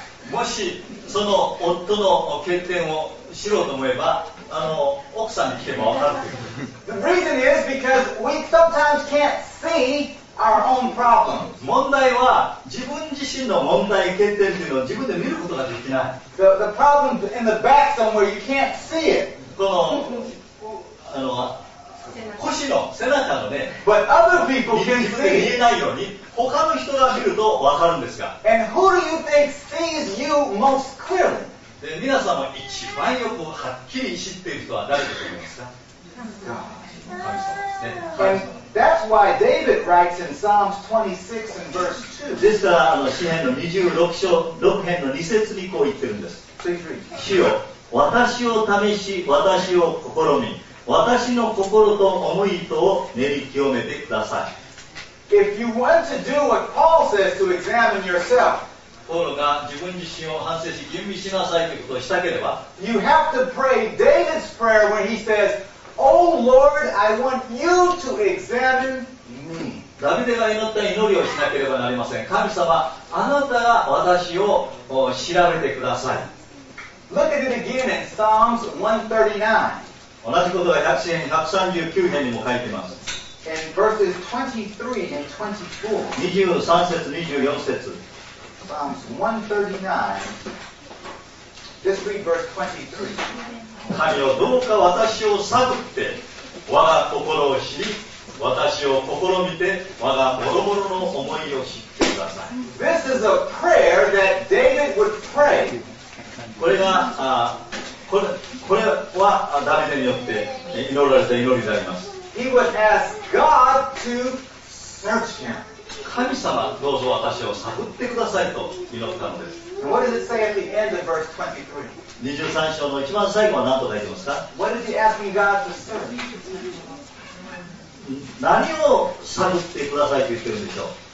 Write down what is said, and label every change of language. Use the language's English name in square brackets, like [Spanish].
[Japanese] もし、その夫の欠点を知ろうと思えば、奥さんに聞けば分かるということです。 [English] The reason is because we sometimes can't see our own problems. [Japanese] 問題は自分自身の問題、欠点というのを自分で見ることができない。 [English] The problem in the back somewhere, you can't see it. [Japanese] この、腰の背中のね、 [English] But other people can see. [Japanese] 見えないように、他の人が見ると分かるんですが。 [English] And who do you think sees you most clearly? [Japanese] で、皆さんの一番よくはっきり知っている人は誰だと思いますか？ [English] And that's why David writes in Psalms 26 and verse 2. [Japanese] ですから、詩編の26章、6編の2節にこう言ってるんです。主よ、私を試し、私を試み、私の心と思いとを練り清めてください。 [English] If you want to do what Paul says to examine yourself, [Japanese] ポールが自分自身を反省し、吟味しなさいということをしたければ、 [English] you have to pray David's prayer when he says,Oh Lord, I want you to examine me. [Japanese] ダビデが祈った祈りをしなければなりません。神様、あなたが私を調べてください。 [English] Look at it again in Psalms 139. [Japanese] 同じことが百詩編139編にも書いています。 [English] In verses 23 and 24. [Japanese] 23節、24節。 [English] Psalms 139. Just read verse 23. [Japanese] 神よ、どうか私を探って我が心を知り、私を試みて我がボロボロの思いを知ってください。 [English] This is a prayer that David would pray. [Japanese] これが、これはダビデによって祈られた祈りであります。 [English] He would ask God to search him. [Japanese] 神様、どうぞ私を探ってくださいと祈ったのです。 [English] What does it say at the end of verse 23? [Japanese] 23章の一番最後は何と書いてますか？ [English] What is he asking God to serve? [Japanese] 何を探ってくださいと言ってるんでしょう？